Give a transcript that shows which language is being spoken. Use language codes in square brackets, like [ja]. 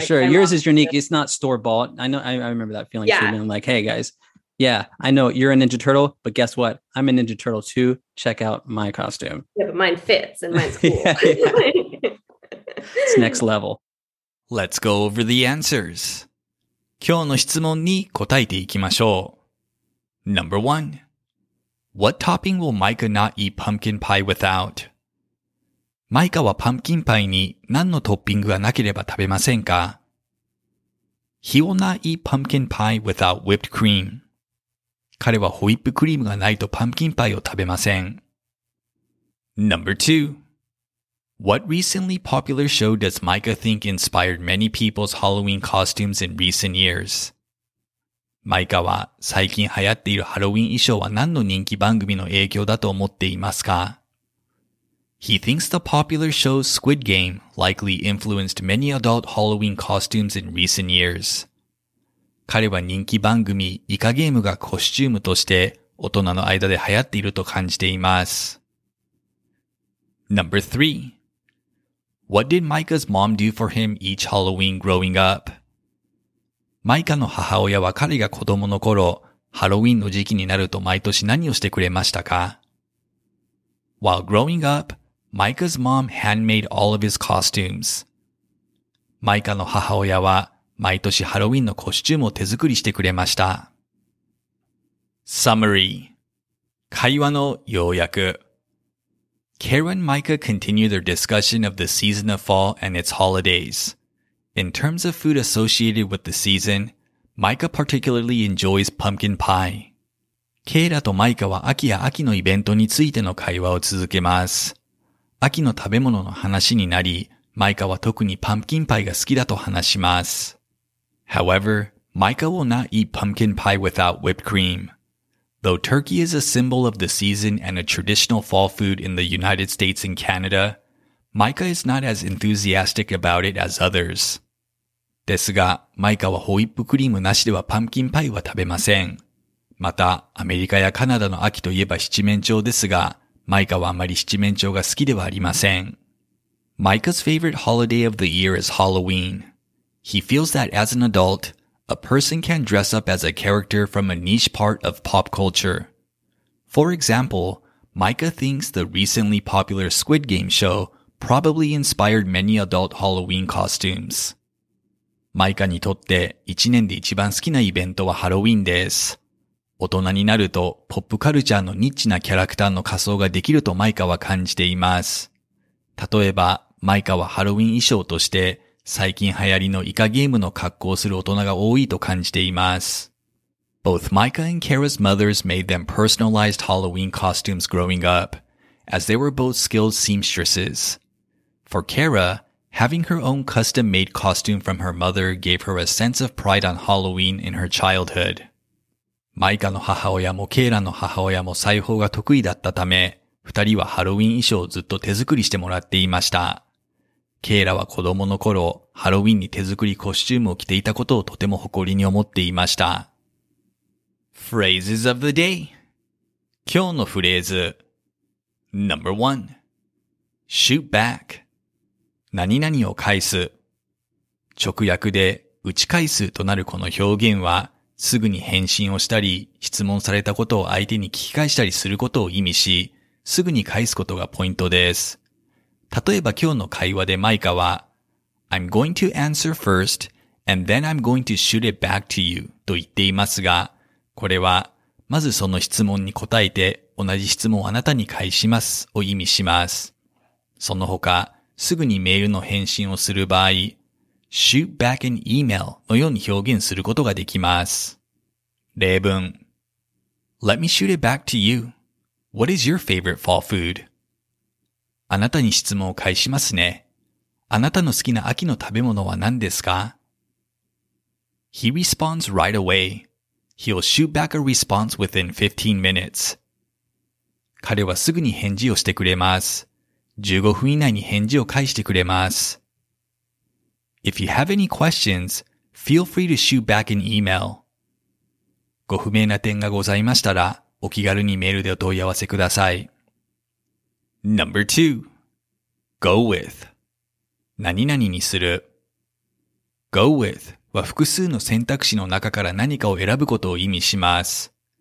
[en] Sure. Yours is unique. It's not store-bought. I know. I remember that feeling. Yeah. I'm like, hey guys. Yeah, I know you're a Ninja Turtle, but guess what? I'm a Ninja Turtle too. Check out my costume. Yeah, but mine fits and mine's cool. Yeah. It's next level. Let's go over the answers. [ja] 今日の質問に答えていきましょう。 [en] Number one. What topping will Micah not eat pumpkin pie without? [ja] Micah はパンキンパイに何のトッピングがなければ食べませんか? [en] He will not eat pumpkin pie without whipped cream. [ja] 彼はホイップクリームがないとパンキンパイを食べません。 [en] Number 2. What recently popular show does Micah think inspired many people's Halloween costumes in recent years? [ja] Micah は最近流行っているハロウィン衣装は何の人気番組の影響だと思っていますか? [en] He thinks the popular show Squid Game likely influenced many adult Halloween costumes in recent years. [ja] 彼は人気番組イカゲームがコスチュームとして大人の間で流行っていると感じています。 [en] Number 3. What did Micah's mom do for him each Halloween growing up? [ja] Micah の母親は彼が子供の頃、ハロウィンの時期になると毎年何をしてくれましたか? [en] While growing up, Micah's mom handmade all of his costumes. [ja] Micah の母親は毎年ハロウィンのコスチュームを手作りしてくれました。 [en] Summary. [ja] 会話の要約。 [en] Kara and Micah continue their discussion of the season of fall and its holidays. In terms of food associated with the season, Micah particularly enjoys pumpkin pie. [ja] Kara と Micah は秋や秋のイベントについての会話を続けます。秋の食べ物の話になり、Micah は特にパンプキンパイが好きだと話します。 [en] However, Micah will not eat pumpkin pie without whipped cream. Though turkey is a symbol of the season and a traditional fall food in the United States and Canada, Micah is not as enthusiastic about it as others. [ja] ですが、マイカはホイップクリームなしではパンキンパイは食べません。また、アメリカやカナダの秋といえば七面鳥ですが、マイカはあまり七面鳥が好きではありません。 [en] Micah's favorite holiday of the year is Halloween. He feels that as an adult,A person can dress up as a character from a niche part of pop culture. For example, Micah thinks the recently popular Squid Game show probably inspired many adult Halloween costumes. [ja] Micah にとって一年で一番好きなイベントはハロウィンです。大人になるとポップカルチャーのニッチなキャラクターの仮装ができるとマイカは感じています。例えば、マイカはハロウィン衣装として最近流行りのイカゲームの格好をする大人が多いと感じています。 [en] Both Micah and Kara's mothers made them personalized Halloween costumes growing up, as they were both skilled seamstresses. For Kara, having her own custom-made costume from her mother gave her a sense of pride on Halloween in her childhood. [ja] Micah の母親もケイラの母親も裁縫が得意だったため、二人はハロウィン衣装をずっと手作りしてもらっていました。ケイラは子供の頃、ハロウィンに手作りコスチュームを着ていたことをとても誇りに思っていました。 [en] Phrases of the day [ja] 今日のフレーズ [en] Number 1 Shoot back [ja] 何々を返す直訳で打ち返すとなるこの表現は、すぐに返信をしたり、質問されたことを相手に聞き返したりすることを意味し、すぐに返すことがポイントです。例えば今日の会話でマイカは [en] I'm going to answer first and then I'm going to shoot it back to you [ja] と言っていますが、これはまずその質問に答えて同じ質問をあなたに返しますを意味します。その他、すぐにメールの返信をする場合、 [en] shoot back an email [ja] のように表現することができます。例文 [en] Let me shoot it back to you. What is your favorite fall food? [ja] あなたに質問を返しますね。あなたの好きな秋の食べ物は何ですか? [en] He responds right away. He'll shoot back a response within 15 minutes. [ja] 彼はすぐに返事をしてくれます。15分以内に返事を返してくれます。 [en] If you have any questions, feel free to shoot back an email. [ja] ご不明な点がございましたら、お気軽にメールでお問い合わせください。 [en] Number 2. Go with. [ja] 何々にする。 Go with は複数の選択肢の中から何かを選ぶことを意味します。